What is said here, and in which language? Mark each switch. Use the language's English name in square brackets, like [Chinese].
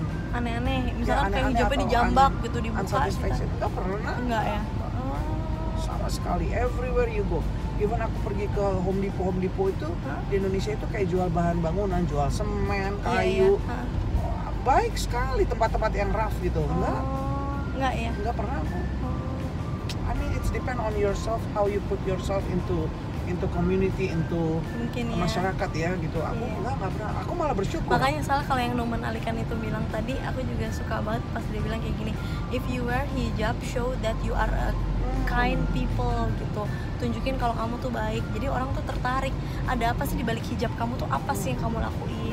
[Indonesian] aneh-aneh. Misalkan kayak hijabnya dijambak gitu, dibuka gitu. Unsatisfaction, enggak pernah. Enggak ya. Sama sekali, [English] everywhere you go. [Indonesian] Even aku pergi ke Home Depot itu, di Indonesia itu kayak jual bahan bangunan, jual semen, kayu. Baik sekali tempat-tempat yang rough gitu. Enggak ya. Enggak pernah. [English] I mean it's depend on yourself, how you put yourself into community, into [Indonesian] mungkin masyarakat ya, ya gitu. Aku enggak pernah, aku malah bersyukur. Makanya salah kalau yang Numan Alikan itu bilang tadi, aku juga suka banget pas dia bilang kayak gini, [English] if you wear hijab, show that you are a kind people [Indonesian] gitu. Tunjukin kalau kamu tuh baik. Jadi orang tuh tertarik, ada apa sih di balik hijab kamu tuh, apa sih yang kamu lakuin.